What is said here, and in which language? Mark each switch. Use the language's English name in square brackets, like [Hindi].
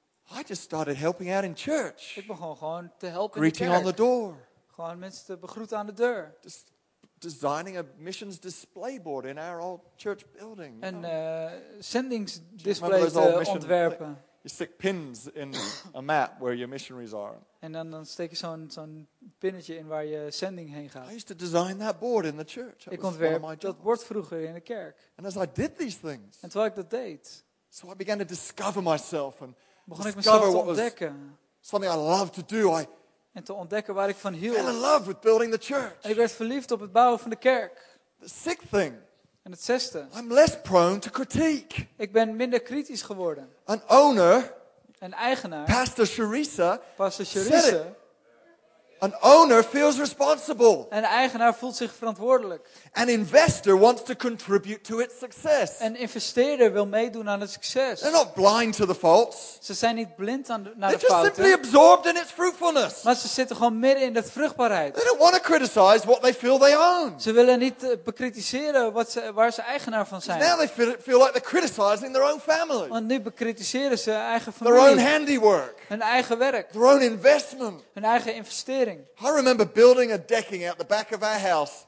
[English] I just started helping out in church. [Dutch] Ik begon gewoon te helpen. [English] Greeting [Dutch] in de kerk. [English] On the door. [Dutch] Gewoon mensen te begroeten aan de deur. [English] Just designing a missions display board in our old church building. [Dutch] En zendingsdisplay te ontwerpen. [English] You stick pins in a map where your missionaries are. [Dutch] En dan steek je zo'n pinnetje in waar je zending heen gaat. [English] I used to design that board in the church. [Dutch] Ik ontwerp dat bord vroeger in de kerk. [English] And as I did these things, [Dutch] en terwijl ik dat deed, [English] so I began to discover myself and [Dutch] begon [English] discover [Dutch] ik mezelf te ontdekken. [English] Something I loved to do. I [Dutch] en te ontdekken waar ik van hield. [English] Fell in love with building the church. [Dutch] En ik werd verliefd op het bouwen van de kerk. [English] The sixth thing. [Dutch] En het zesde. [English] I'm less prone to critique. [Dutch] Ik ben minder kritisch geworden. [English] An owner. [Dutch] Een eigenaar. [English] Pastor Charissa. [Dutch] Pastor Charissa. [English] An owner feels responsible. [Dutch] Een eigenaar voelt zich verantwoordelijk. [English] An investor wants to contribute to its success. [Dutch] Een investeerder wil meedoen aan het succes. [English] They're not blind to the faults. [Dutch] Ze zijn niet blind aan de fouten. [English] They're just simply absorbed in its fruitfulness. [Dutch] Maar ze zitten gewoon midden in de vruchtbaarheid. [English] They don't want to criticize what they feel they own. [Dutch] Ze willen niet bekritiseren waar ze eigenaar van zijn. [English] Now they feel like they're criticizing their own family. [Dutch] Want nu bekritiseren ze eigen familie. [English] Their own handiwork. [Dutch] Hun eigen werk. [English] Their own investment. [Dutch] Hun eigen investering. [English] I remember building a decking out the back of our house.